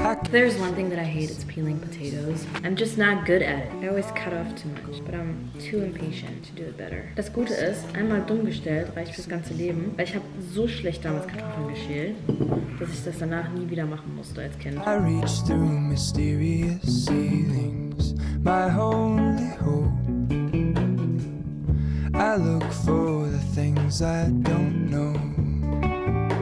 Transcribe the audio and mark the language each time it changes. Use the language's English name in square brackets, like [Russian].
[English] There's one thing that I hate, it's peeling potatoes. I'm just not good at it. I always cut off too much, but I'm too impatient to do it better. [German] Das Gute ist, einmal dumm gestellt reicht fürs ganze Leben, weil ich habe so schlecht damals Kartoffeln geschält, dass ich das danach nie wieder machen musste als Kind. [English] I reach through mysterious ceilings, my only hope. I look for the things I don't know.